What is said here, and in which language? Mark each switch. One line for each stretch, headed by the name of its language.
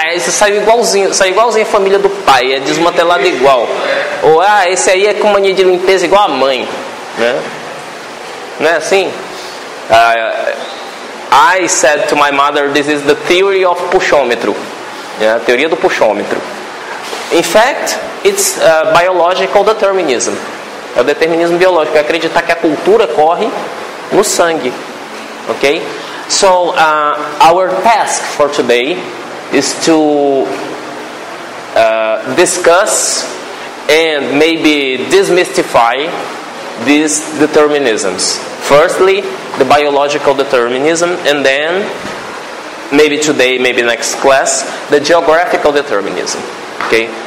Portuguese: Esse saiu igualzinho a família do pai, é desmantelado igual. Ou, esse aí é com mania de limpeza igual a mãe. Né? Não é assim?
English: I said to my mother, this is the theory of puxômetro. Yeah,
Portuguese: teoria do puxômetro.
English: In fact, it's biological determinism.
Portuguese: É o determinismo biológico, é acreditar que a cultura corre no sangue.
English: Ok? So, our task for today is to discuss and maybe demystify these determinisms. Firstly, the biological determinism, and then, maybe today, maybe next class, the geographical determinism. Okay?